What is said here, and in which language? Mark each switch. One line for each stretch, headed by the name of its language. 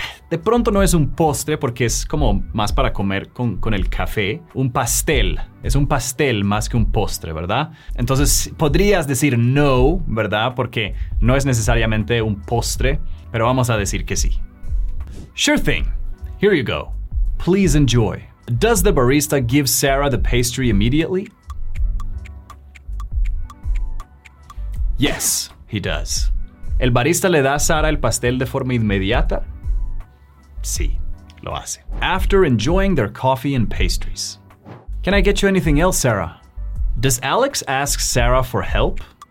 Spanish: De pronto no es un postre porque es como más para comer con el café. Un pastel. Es un pastel más que un postre, ¿verdad? Entonces podrías decir no, ¿verdad? Porque no es necesariamente un postre, pero vamos a decir que sí.
English: Sure thing. Here you go. Please enjoy. Does the barista give Sarah the pastry immediately? Yes. He does.
Spanish: ¿El barista le da a Sara el pastel de forma inmediata? Sí, lo hace.
English: After enjoying their coffee and pastries. Can I get you anything else, Sarah? Does Alex ask Sarah for help?